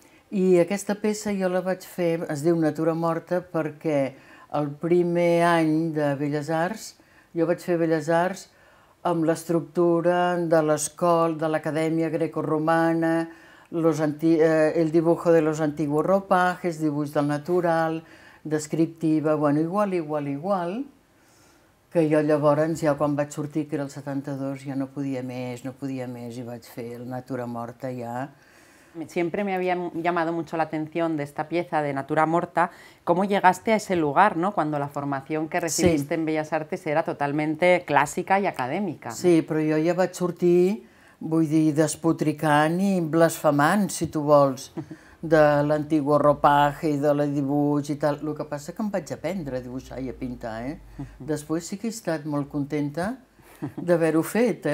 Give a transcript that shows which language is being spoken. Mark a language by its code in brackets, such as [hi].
[ca] I aquesta peça jo la vaig fer, es diu Natura Morta, perquè el primer any de Belles Arts, jo vaig fer Belles Arts amb l'estructura de l'escola, de l'Acadèmia Greco-Romana, [es] el dibujo de los antiguos ropajes, [ca] dibuix del natural, descriptiva, bueno, igual, igual, igual, que jo llavors, ja quan vaig sortir, que era el 72, ja no podia més, no podia més, i vaig fer el Natura Morta ja. [es] Siempre me había llamado mucho la atención de esta pieza de Natura Morta, cómo llegaste a ese lugar, ¿no? Cuando la formación que Sí. recibiste en Bellas Artes era totalmente [ca] clàssica i acadèmica, [es] ¿no? [ca] Sí, però jo ja vaig sortir, vull dir, despotricant i blasfemant, si tu vols, de l'antiguo ropaje i de la dibuix i tal. El que passa que em vaig aprendre a dibuixar i a pintar, eh? Després sí que he estat molt contenta d'haver-ho fet, eh?